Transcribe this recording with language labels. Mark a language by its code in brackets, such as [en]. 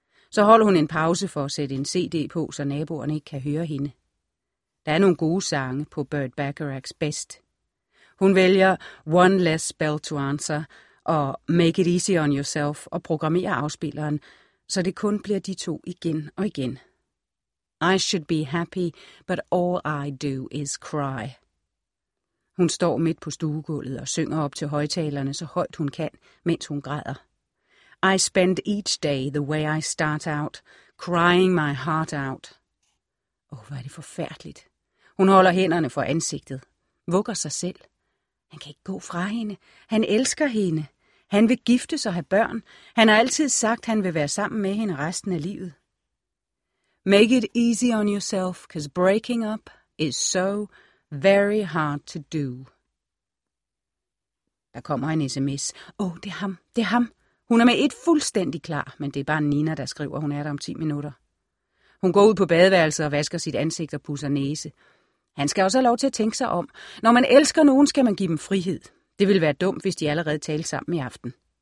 [da] Så holder hun en pause for at sætte en CD på, så naboerne ikke kan høre hende. Der er nogle gode sange på Burt Bacharachs Best. Hun vælger One Less Bell to Answer og Make It Easy on Yourself og programmerer afspilleren, så det kun bliver de to igen og igen. [en] I should be happy, but all I do is cry. [da] Hun står midt på stuegulvet og synger op til højtalerne så højt hun kan, mens hun græder. [en] I spend each day the way I start out, crying my heart out. [da] Åh, hvor er det forfærdeligt. Hun holder hænderne for ansigtet, vugger sig selv. Han kan ikke gå fra hende. Han elsker hende. Han vil giftes og have børn. Han har altid sagt, han vil være sammen med hende resten af livet. [en] Make it easy on yourself, 'cause breaking up is so very hard to do. [da] Der kommer en sms. Åh, det er ham. Det er ham. Hun er med et fuldstændig klar, men det er bare Nina, der skriver, hun er der om 10 minutter. Hun går ud på badeværelset og vasker sit ansigt og pudser næse. Han skal også have lov til at tænke sig om. Når man elsker nogen, skal man give dem frihed. Det vil være dumt, hvis de allerede taler sammen i aften.